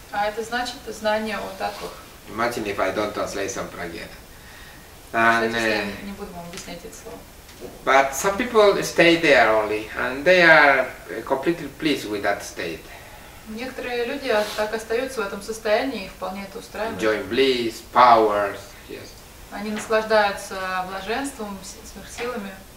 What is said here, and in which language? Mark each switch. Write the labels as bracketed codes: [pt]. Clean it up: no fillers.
[ru] А это значит знание о таттвах. [en] Imagine if I don't translate сампрагьяна. [ru] Кстати, я не буду вам объяснять это слово. [en] But some people stay there only, and they are completely pleased with that state. [ru] Некоторые люди так остаются в этом состоянии и вполне это устраивают. [en] Enjoy bliss, powers, yes. [ru] Они наслаждаются блаженством, сверхсилами.